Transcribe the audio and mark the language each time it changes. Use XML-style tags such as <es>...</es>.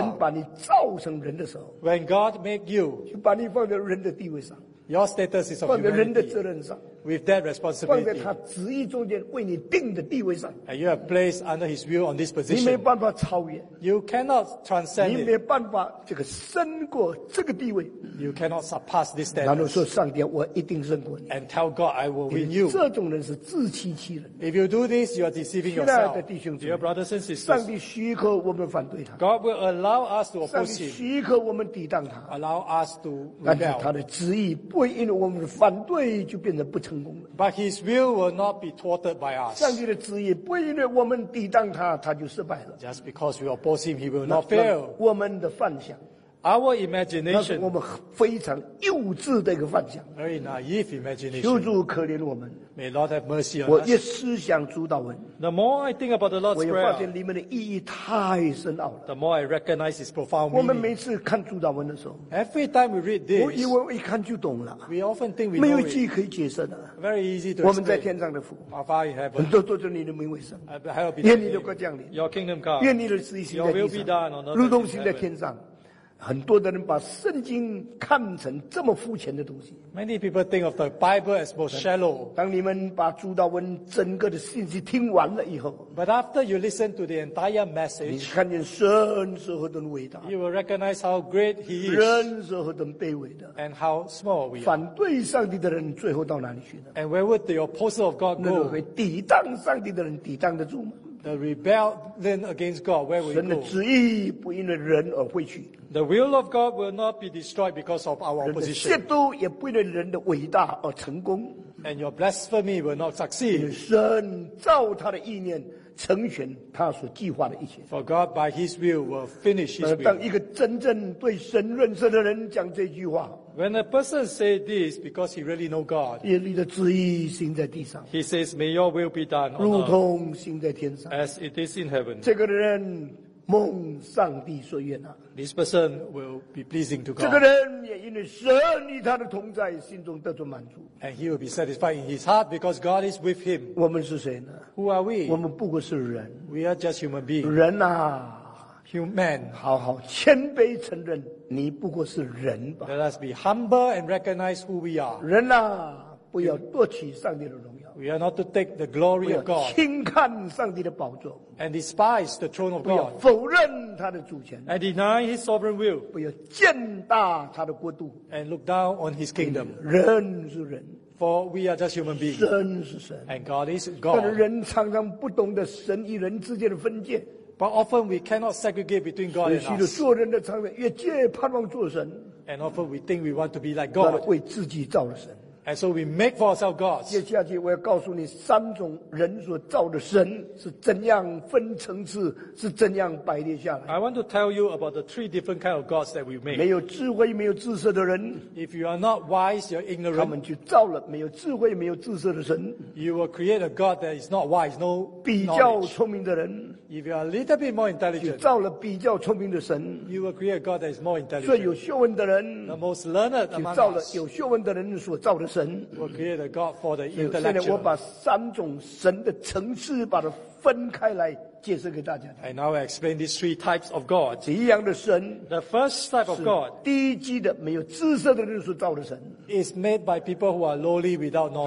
<zh>当神把你造成人的时候</zh> <en>，When God made you,</en> <zh>就把你放在人的地位上。</zh> <en>Your status is of humanity.</en> <zh>放在人的责任上。</zh> <en>with that responsibility.</en> <zh>放在他旨意中间为你定的地位上。</zh> <en>And you are placed under his will on this position.</en> <zh>你没办法超越。</zh> <en>You cannot transcend.</en> <zh>你没办法这个胜过这个地位。</zh> <en>You cannot surpass this standard.</en> <zh>然后说上帝，我一定胜过你。</zh> <en>And tell God, I will win you.</en> <zh>这种人是自欺欺人。</zh> <en>If you do this, you are deceiving yourself.</en> <zh>亲爱的弟兄姊妹</zh> <en>，Dear brothers and sisters,</en> <zh>上帝许可我们反对他。</zh> <en>God will allow us to oppose him.</en> <zh>上帝许可我们抵挡他。</zh> <en>Allow us to rebel.</en> <zh>但是他的旨意不会因为我们反对就变成不成。</zh> <en>But his will will not be thwarted by us.</en> <zh>上帝的旨意不因为我们抵挡他，他就失败了。</zh> <en>Just because we oppose him, he will not fail.</en> <zh>我们的幻想</zh> <en>，our imagination，</en> <zh>那是我们非常幼稚的一个幻想</zh> <en>，very naive imagination.</en> <zh>求主可怜我们</zh> <en>，May Lord have mercy on us.</en> <zh>我一思想主祷文</zh> <en>，the more I think about the Lord's prayer，</en> <zh>我也发现里面的意义太深奥了</zh> <en>，the more I recognize its profound meaning.</en> <zh>我们每次看主祷文的时候</zh> <en>，every time we read this，</en> <zh>我以为一看就懂了</zh> <en>，we often think we</en> <zh>没有句可以解释的。</zh> <en>Very easy to explain.</en> <zh>我们在天上的父</zh> <en>Our Father in heaven.</en> <zh>很多都叫你的名为圣愿你的国降临</zh> <en>Your kingdom come.</en> <zh>愿你的旨意行在地上如同行在天上很多的人把圣经看成这么肤浅的东西</zh> <en>Many people think of the Bible as most shallow.</en> <zh>当你们把主道文整个的信息听完了以后</zh> <en>But after you listen to the entire message</en> <zh>你看见神是何等伟大</zh> <en>You will recognize how great he is</en> <zh>人是何等卑微的</zh> <en>And how small we are</en> <zh>反对上帝的人最后到哪里去呢</zh> <en>And where would the opposer of God go</en> <zh>那会抵挡上帝的人抵挡得住吗</zh> <en>The rebellion against God, where will</en> <zh>神的旨意不因为人而废去。</zh> <en>The will of God will not be destroyed because of our opposition.</en> <zh>人的亵渎也不因为人的伟大而成功。</zh> <en>And your blasphemy will not succeed.</en> <zh>神照他的意念成全他所计划的一切。</zh> <en>For God, by His will, will finish His will.</en> <zh>当一个真正对神认识的人讲这句话。</zh> <en>When a person says this because he really knows God,</en> <zh>耶利的旨意行在地上</zh> <en>he says, May your will be done,</en> <zh>如同行在天上</zh> <en>as it is in heaven.</en> <zh>这个人蒙上帝所悦纳</zh> <en>This person will be pleasing to God.</en> <zh>这个人也因为神与他的同在心中得到满足</zh> <en>And he will be satisfied in his heart because God is with him.</en> <zh>我们是谁呢</zh> <en>Who are we?</en> <zh>我们不过是人</zh> <en>We are just human beings.</en> <zh>人啊</zh> <en>Human.</en> <zh>好好谦卑承认你不过是人吧</zh> <en>Let us be humble and recognize who we are</en> <zh>人啊不要夺取上帝的荣耀</zh> <en>We are not to take the glory of God</en> <zh>轻看上帝的宝座</zh> <en>And despise the throne of God</en> <zh>不要否认他的主权</zh> <en>And deny his sovereign will</en> <zh>不要践踏他的国度</zh> <en>And look down on his kingdom</en> <zh>人是人</zh> <en>For we are just human beings</en> <zh>神是神</zh> <en>And God is God</en> <zh>但人常常不懂得神与人之间的分界</zh> <en>But often we cannot segregate between God and us.</en> <zh>所以做人的常常越界盼望做神。</zh> <en>And often we think we want to be like God.</en> <zh>为自己造了神。</zh> <en>And so we make for ourselves gods.</en> <zh>接下去我要告诉你三种人所造的神是怎样分层次，是怎样排列下来。</zh> <en>I want to tell you about the three different kinds of gods that we make.</en> <zh>没有智慧、没有知识的人。</zh> <en>If you are not wise, you're ignorant.</en> <zh>他们就造了没有智慧、没有知识的神。</zh> <en>You will create a god that is not wise, no knowledge.</en> <zh>比较聪明的人。</zh> <en>If you are a little bit more intelligent,</en> <zh>造了比较聪明的神。</zh> <en>You will create a god that is more intelligent.</en> <zh>最有学问的人。</zh> <en>The most learned among us.</en> <zh>造了有学问的人所造的神。</zh> <en>We'll create a god for the intellectual.</en> <zh>现在我把三种神的层次把它分开来解释给大家。</zh> <en>And now I explain these three types of god.</en> <zh>第一样的神。</zh> <en>The first type of god.</en> <zh>低级的没有知识的人所造的神。</zh> <en>Is made by people who are lowly without knowledge.</en>